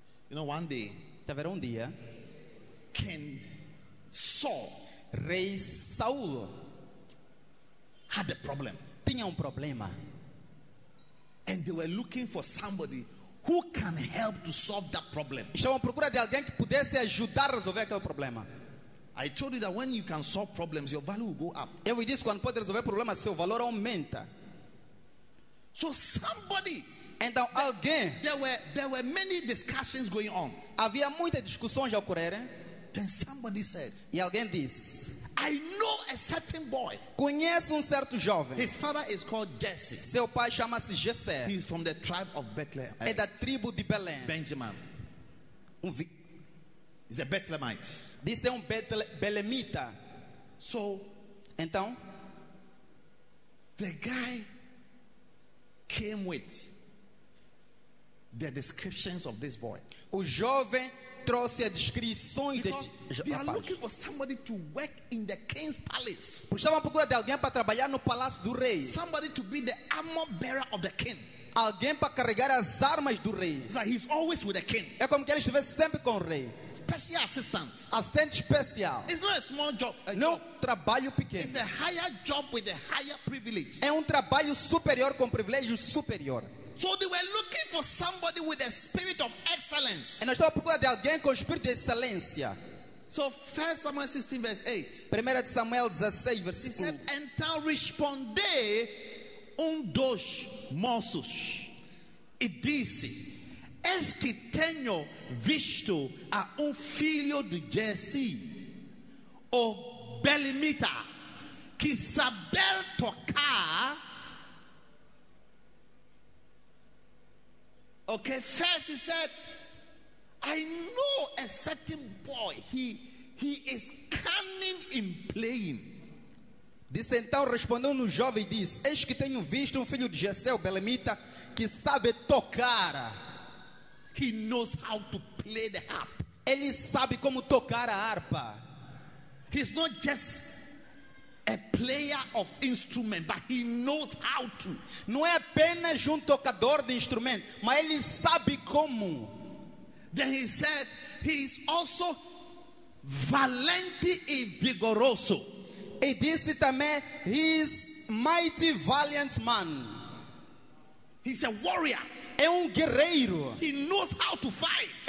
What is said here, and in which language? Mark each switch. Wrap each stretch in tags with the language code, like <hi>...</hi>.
<en>You know, one day,</en> <pt>haverá um dia,</pt> <en>King Saul,</en> <pt>rei Saul,</pt> <en>had a problem.</en> <pt>Tinha problema.</pt> <en>And they were looking for somebody who can help to solve that problem.</en> <pt>Estavam procura de alguém que pudesse ajudar a resolver aquele problema.</pt> <en>I told you that when you can solve problems, your value will go up.</en> <pt>Eu disse que quando pode resolver problemas, seu valor aumenta.</pt> <en>So somebody. And now again, there were many discussions going on.</en> <pt>Havia muitas discussões a ocorrer.</pt> <en>Then somebody said,</en> <pt>e alguém disse,</pt> <en>I know a certain boy.</en> <pt>Conheço certo jovem.</pt> <en>His father is called Jesse.</en> <pt>Seu pai chama-se Jesse.</pt> <en>He is from the tribe of Bethlehem.</en> <pt>É da tribo de Belém.</pt> <en>Benjamin. He's a Bethlehemite.</en> <pt>This é Belemita.</pt> <en>So,</en> <pt>então,</pt> <en>the guy came with the descriptions of this boy.</en> <pt>O jovem trouxe a descrição deste rapaz.</pt> <en>They are looking for somebody to work in the king's palace.</en> <pt>Estavam à procura de alguém para trabalhar no palácio do rei.</pt> <en>Somebody to be the armor bearer of the king.</en> <pt>Alguém para carregar as armas do rei.</pt> <en>So he's always with the king.</en> <pt>É como que ele estivesse sempre com o rei.</pt> <en>Special assistant.</en> <pt>Assistente especial.</pt> <en>It's not a small job.</en> <pt>Não, trabalho pequeno.</pt> <en>It's a higher job with a higher privilege.</en> <pt>É trabalho superior com privilégio superior.</pt> <en>So they were looking for somebody with a spirit of excellence.</en> <pt>E nós estávamos procurando de alguém com espírito de excelência.</pt> <en>So 1 Samuel 16 verse 8.</en> <pt>Primeira de Samuel 16 verse 8.</pt> <en>He said,</en> <pt>"Então respondeu um dos moços e disse: Es que tenho visto a filho de Jesse, o Belemita, que sabe tocar."</pt> <en>Okay, first he said, I know a certain boy. He is cunning in playing.</en> <pt>Disse então, respondendo o jovem, diz: Eis que tenho visto filho de Jessé, o Belemita, que sabe tocar.</pt> <en>He knows how to play the harp.</en> <pt>Ele sabe como tocar a harpa.</pt> <en>He's not just a player of instrument, but he knows how to.</en> <pt>Não é apenas tocador de instrumento, mas ele sabe como.</pt> <en>Then he said, he is also</en> <pt>valente e vigoroso. E disse também,</pt> <en>he is mighty valiant man. He's a warrior.</en> <pt>É guerreiro.</pt> <en>He knows how to fight.</en>